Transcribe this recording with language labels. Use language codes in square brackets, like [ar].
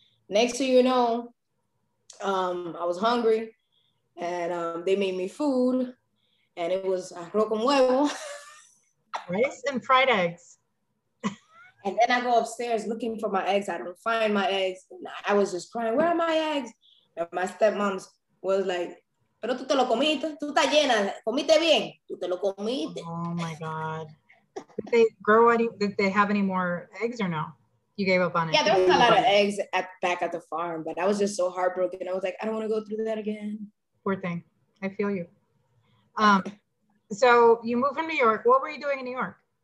[en] Next thing you know, I was hungry, and they made me food, and it was [es] arroz con huevo. [en] Rice and fried eggs. And then I go upstairs looking for my eggs. I don't find my eggs. And I was just crying, where are my eggs? And my stepmom was like, [es] pero tú te lo comiste, tú estás llena, comiste bien, tú te lo comiste. [en] Oh my God. Did they grow any, did they have any more eggs or no? You gave up on it. Yeah, there was a lot of eggs back at the farm, but I was just so heartbroken. I was like, I don't want to go through that again. Poor thing. I feel you. So you moved from New York. What were you doing in New York?